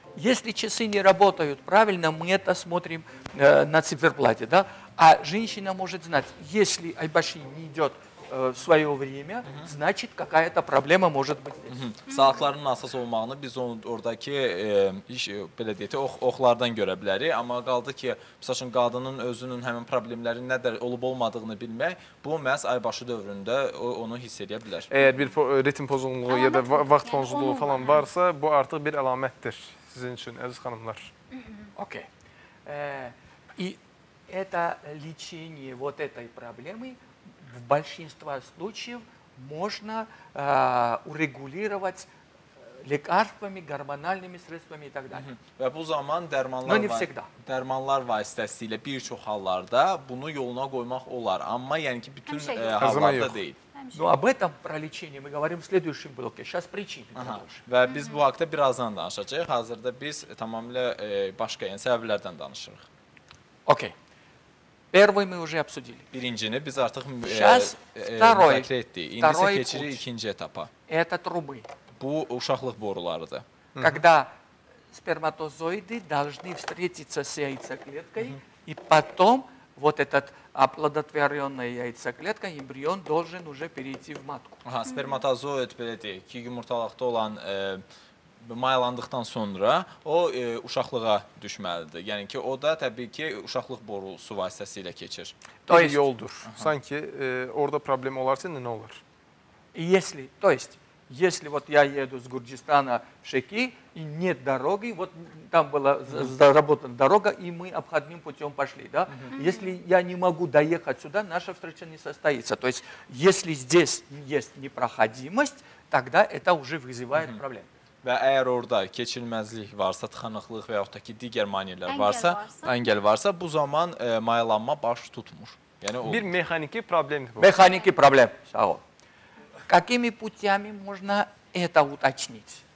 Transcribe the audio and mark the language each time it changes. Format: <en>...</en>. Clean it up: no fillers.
<ru>Если часы не работают правильно, мы это смотрим на циферблате, да? А женщина может знать, если aybaşı не идёт в своё время, значит, какая-то проблема может быть.</ru> <az>Saatlarının əsas olmağını biz oradakı belə deyək, oxlardan görə bilərik, amma qaldı ki, məsəl üçün qadının özünün həmin problemləri nədir olub olmadığını bilmək, bu məhz aybaşı dövründə onu hiss edə bilər. Əgər bir ritm pozğunluğu ya da vaxt pozğunluğu falan varsa, bu artıq bir əlamətdir sizin üçün, əziz xanımlar.</az> <en>Okay.</en> <ru>И это лечение вот этой проблемы в большинстве случаев можно урегулировать лекарствами, гормональными средствами и так далее.</ru> <az>Ve bu zaman dermanlar,</az> <ru>но не всегда.</ru> <az>Dermanlar vasitəsilə bir çox hallarda bunu yoluna qoymaq olar, amma yəni ki bütün hallarda deyil.</az> <ru>Но об этом про лечение мы говорим в следующем блоке. Сейчас причины.</ru> <az>Ve biz bu haqda birazdan danışacağıq. Hazırda biz tamamilə başqa yəni səbəblərdən danışırıq.</az> <ru>Окей. Первый мы уже обсудили. Первый мы</ru> <az>artık</az> <ru>сейчас второй. Второй путь.</ru> <az>İkinci etapa.</az> <ru>Это трубы.</ru> <az>Bu uşaqlıq borularıdır.</az> <ru>Когда сперматозоиды должны встретиться с яйцеклеткой, и потом вот этот оплодотворенная яйцеклетка, эмбрион должен уже перейти в матку.</ru> <az>Aha, сперматозоид, belə deyək ki, yumurtalıqda olan maylandıqdan sonra o uşaqlığa düşməlidir. Yəni ki, o da təbii ki, uşaqlıq borusu vasitəsilə keçir. Bir yoldur. Sanki orada problem olarsa nə olar?</az> <ru>Если, то есть, если вот я еду с Гурджистана в Шеки и нет дороги, вот там была заработана дорога, и мы обходным путем пошли, да? Если я не могу доехать сюда, наша встреча не состоится. То есть, если здесь есть непроходимость, тогда это уже вызывает проблемы.</ru> <az>Və əgər orada keçilməzlik varsa, tıxanıqlıq və yaxud da ki, digər manierlər varsa, əngəl varsa, bu zaman mayalanma baş tutmur. Yəni, o... Bir mexaniki problemdir bu. Mexaniki problem, sağ ol.</az> <ru>Какими путями можно это уточнить?</ru>